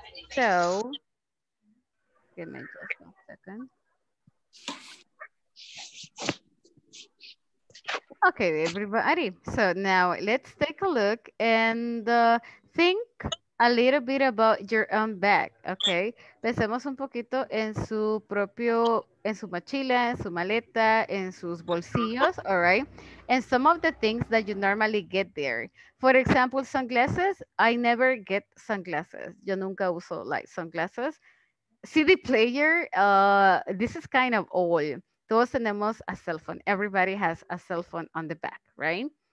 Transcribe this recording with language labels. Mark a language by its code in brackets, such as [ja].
[en] So, give me just a second. Okay, everybody. So now let's take a look and think a little bit about your own bag, okay? [es] Pensemos un poquito en su propio, en su mochila, en su maleta, en sus bolsillos, [en] all right? And some of the things that you normally get there. For example, sunglasses, I never get sunglasses. [es] Yo nunca uso [en] like sunglasses. CD player, this is kind of old. [es] Todos tenemos [en] a cell phone. Everybody has a cell phone on the back, right?